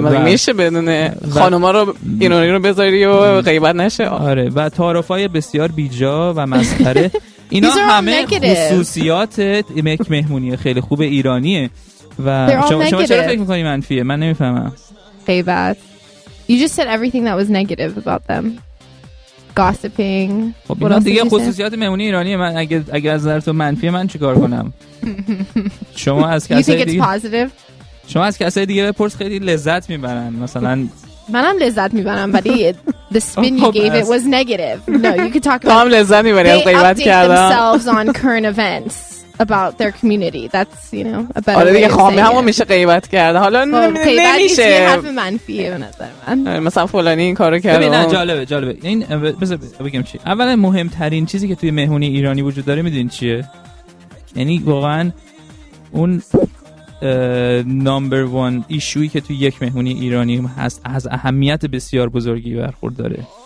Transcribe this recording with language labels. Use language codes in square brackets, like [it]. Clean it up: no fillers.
[fa] مثلا میشه بدونه خانوما رو ایرانی رو بذاری و غیبت نشه؟ آره. و تعارفای بسیار بیجا و مسخره. اینا همه خصوصیات یک مهمونی خیلی خوب ایرانیه. و شما چرا فکر میکنی منفیه؟ من نمیفهمم. غیبت. [en] You just said everything that was negative about them. Gossiping. [fa] خب اینا دیگه خصوصیات مهمونی ایرانیه. من اگه از نظر تو منفیه، من چیکار کنم؟ شما از کسای دیگه شما از کسای دیگه بپرس، خیلی لذت میبرن. مثلا منم لذت میبرم، ولی [en] the spin you gave it was negative. No, you could talk about [fa] لذت میبرم. [en] They update themselves on current events about their community. That's, you know, a better way to say it. [fa] همون میشه غیبت کرده. حالا نمیشه. مثلا فلانی این کارو کرده. ببین جالبه جالبه. این بذار بگم چی. اولا مهمترین چیزی که توی مهمونی ایرانی وجود داره میدونین چیه؟ یعنی واقعا اون نمبر وان ایشوی که تو یک مهمونی ایرانی هست از اهمیت بسیار بزرگی برخورداره.